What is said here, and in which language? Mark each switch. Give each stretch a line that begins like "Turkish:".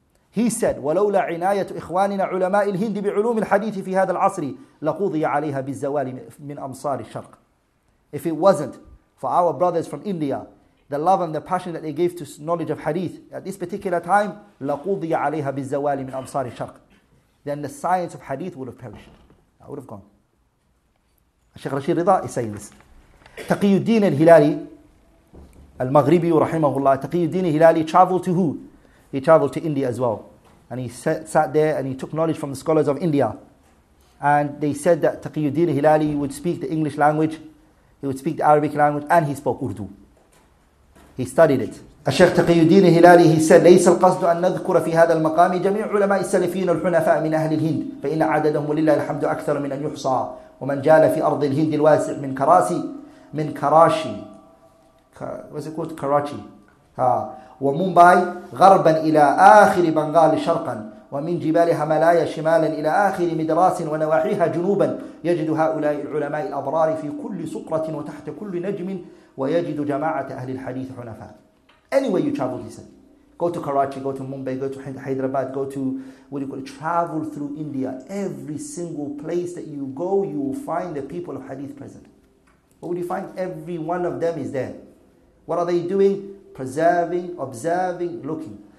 English: He said,
Arabic: وَلَوْلَا عِنَايَةُ إِخْوَانِنَا عُلَمَاءِ الْهِنْدِ بِعُلُومِ الْحَدِيثِ فِي هَذَا الْعَصْرِ لَقُوضِيَ عَلَيْهَا بِالزَّوَالِ مِنْ أَمْصَارِ الشَّرْقِ.
English: If it wasn't for our brothers from India, the love and the passion that they gave to knowledge of hadith at this particular time,
Arabic: لَقُوضِيَ عَلَيْهَا بِالزَّوَالِ مِنْ أَمْصَارِ الشَّرْقِ,
English: then the science of hadith would have perished. That would have gone. Sheikh Rashid Rida is saying this.
Arabic: تقيُّدِّين الْهِلَالِي المغربي رحمه الله.
English: تقيُّدِّين الْهِلَالِي traveled to who? He traveled to India as well. And he sat there and he took knowledge from the scholars of India. And they said that تقيُّدِّين الْهِلَالِي would speak the English language, he would speak the Arabic language, and he spoke Urdu. He studied it.
Arabic: الشيخ تقي الدين الهلالي,
English: he said,
Arabic: ليس القصد أن نذكر في هذا المقام جميع علماء السلفين الحنفاء من أهل الهند فإن عددهم لله الحمد أكثر من أن يحصى ومن جال في أرض الهند الواسع من كراسي من كراشي
English: what's it called?
Arabic: كراشي ومومباي غربا إلى آخر بنغال شرقا ومن جبال هملايا شمالا إلى آخر مدراس ونواحيها جنوبا يجد هؤلاء العلماء الأبرار في كل سقرة وتحت كل نجم وَيَجِدُ جَمَاعَةَ أَهْلِ الْحَدِيثِ حُنَفَاءَ.
English: Anywhere you travel, he said. Go to Karachi, go to Mumbai, go to Hyderabad, go to, what do you call it, travel through India. Every single place that you go, you will find the people of hadith present. What would you find? Every one of them is there. What are they doing? Preserving, observing, looking.